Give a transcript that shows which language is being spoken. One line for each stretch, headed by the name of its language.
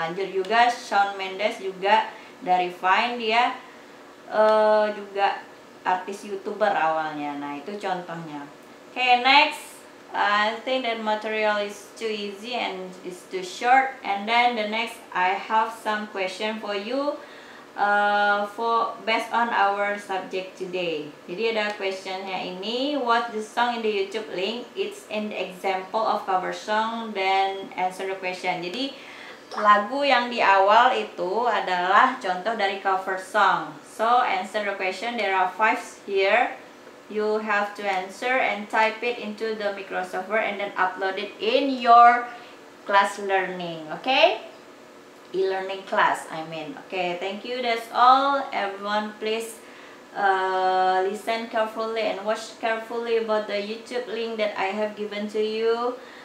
Indonesian: Lanjut juga, Shawn Mendes juga dari Vine, dia juga artis YouTuber awalnya. Nah, itu contohnya.
English: Okay, next, I think that material is too easy and is too short. And then the next, I have some question for you for based on our subject today.
Indonesian: Jadi ada questionnya ini,
English: what the song in the YouTube link, it's an example of cover song, then answer the question.
Indonesian: Jadi lagu yang di awal itu adalah contoh dari cover song.
English: So answer the question, there are 5 here. You have to answer and type it into the Microsoft Word and then upload it in your class learning, okay? E-learning class, I mean. Okay, thank you. That's all. Everyone, please listen carefully and watch carefully about the YouTube link that I have given to you.